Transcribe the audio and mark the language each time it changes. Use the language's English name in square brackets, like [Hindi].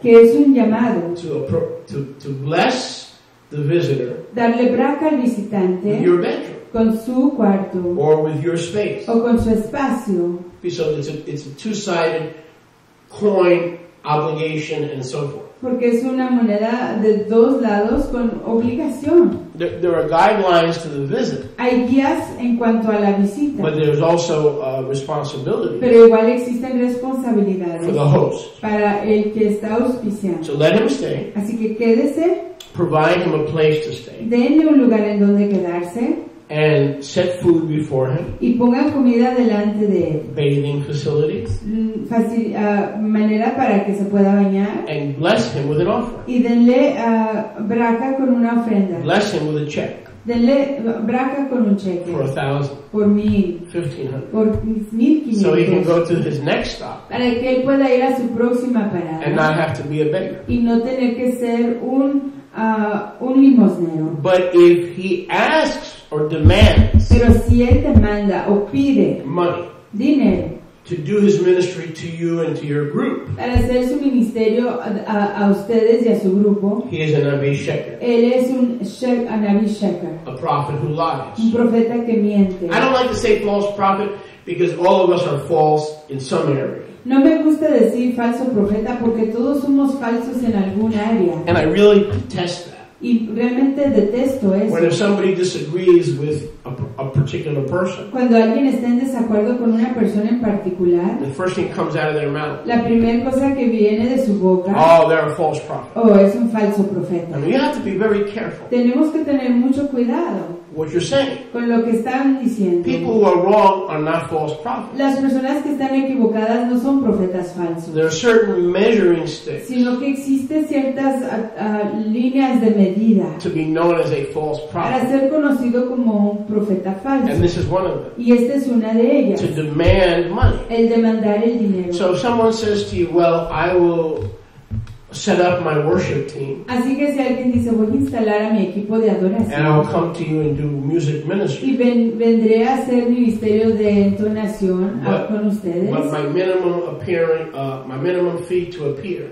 [Spanish] Que es un llamado. [English] To bless the visitor. [Spanish] Darle braca al visitante. [English] Your bedroom. [Spanish] Con su cuarto. [English] Or with your space. [Spanish] O con su espacio. [English] So it's a two-sided coin obligation and so forth. [Spanish] Porque es una moneda de dos lados con obligación. [English] There are guidelines to the visit. [Spanish] Hay guías en cuanto a la visita. [English] But there's also responsibility. [Spanish] Pero igual existen responsabilidades. [English] For the host. [Spanish] Para el que está auspiciando. [English] So let him stay. [Spanish] Así que quédese. [English] Provide him a place to stay. [Spanish] Denle un lugar en donde quedarse. [English] And set food before him. [Spanish] Y ponga comida delante de él. [English] Bathing facilities. [Spanish] Manera para que se pueda bañar. [English] And bless him with an offer. [Spanish] Y denle braca con una ofrenda. [English] Bless him with a check. [Spanish] Denle braca con un cheque. [English] For 1,000. [Spanish] Por 1,000. [English] 1,500. [Spanish] Por 1,500. [English] So he can go to his next stop. [Spanish] Para que él pueda ir a su próxima parada. [English] And not have to be a beggar. [Spanish] Y no tener que ser un limosnero. [English] But if he asks or demands, [Spanish] pero si él demanda o pide [English] money, [Spanish] dinero, [English] to do his ministry to you and to your group, [Spanish] para hacer su ministerio a ustedes y a su grupo, [English] he is a Navi Sheker. [Spanish] Él es un Navi Sheker. [English] A prophet who lies. [Spanish] Un profeta que miente. [English] I don't like to say false prophet because all of us are false in some area. [Spanish] No me gusta decir falso profeta porque todos somos falsos en algún área. [English] And I really detest that. [Spanish] Y realmente detesto eso. [English] When if somebody disagrees with a particular person, [Spanish] cuando alguien está en desacuerdo con una persona en particular, [English] the first thing comes out of their mouth, [Spanish] la primera cosa que viene de su boca, [English] oh, they're a false prophet. [Spanish] Oh, es un falso profeta. [English] And we have to be very careful. [Spanish] Tenemos que tener mucho cuidado. [English] What you're saying. [Spanish] Con lo que están diciendo. [English] People who are wrong are not false prophets. [Spanish] Las personas que están equivocadas no son profetas falsos. [English] There are certain measuring sticks. [Spanish] Sino que existen ciertas líneas de medida. [English] To be known as a false prophet. [Spanish] Para ser conocido como un profeta falso. [English] And this is one of them. [Spanish] Y esta es una de ellas. [English] To demand money. [Spanish] El demandar el dinero. [English] So if someone says to you, well, I will set up my worship team. [Spanish] Así que si alguien dice, voy a instalar a mi equipo de adoración. [English] And I'll come to you and do music ministry. [Spanish] Y vendré a hacer ministerio de entonación con ustedes. [English] But my minimum appearing, my minimum fee to appear.